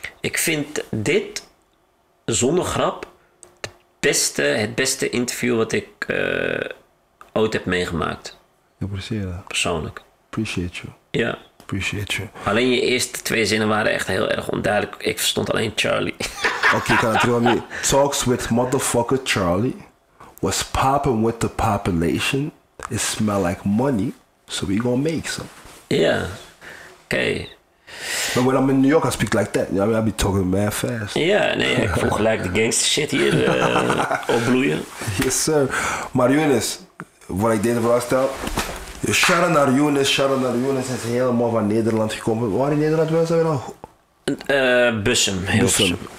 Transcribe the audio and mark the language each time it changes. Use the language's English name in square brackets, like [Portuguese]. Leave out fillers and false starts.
[Dutch] Ik vind dit, zonder grap, het beste interview wat ik ooit heb meegemaakt. Ja, precies. Ja. Persoonlijk. [English] Appreciate you. [Dutch] Ja. [English] Appreciate you. [Dutch] Alleen je eerste twee zinnen waren echt heel erg onduidelijk. Ik verstond alleen Charlie. Oké, kan het wel niet. [English] Talks with motherfucker Charlie. What's popping with the population? It smell like money, so we gonna make some. Yeah. Okay. But when I'm in New York, I speak like that. I mean, I be talking mad fast. [Dutch] Yeah, nee, ik voel gelijk de [English] gangster shit [Dutch] hier opbloeien. [English] Yes, sir. [Dutch] Maar Younes, wat ik deze vraag stel. Shout out naar Younes, shout out naar Younes. Hij is helemaal van Nederland gekomen. Waar in Nederland was hij nou? Bussum, heel Bussum.